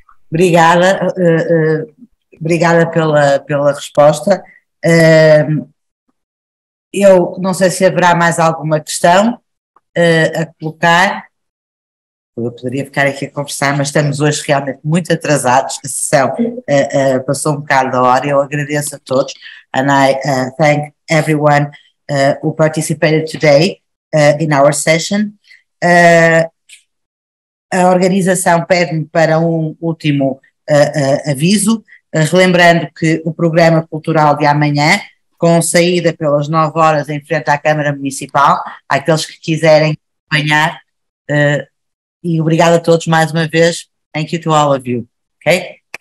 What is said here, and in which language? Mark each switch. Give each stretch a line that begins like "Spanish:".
Portuguese: Obrigada, obrigada pela resposta. Eu não sei se haverá mais alguma questão a colocar. Eu poderia ficar aqui a conversar, mas estamos hoje realmente muito atrasados. A sessão passou um bocado da hora. Eu agradeço a todos.
English: And I thank everyone who participated today in our session.
Portuguese: A organização pede-me para um último aviso, relembrando que o programa cultural de amanhã com saída pelas 9 horas em frente à Câmara Municipal, àqueles que quiserem acompanhar, e obrigado a todos mais uma vez.
English: Thank you to all of you. Okay?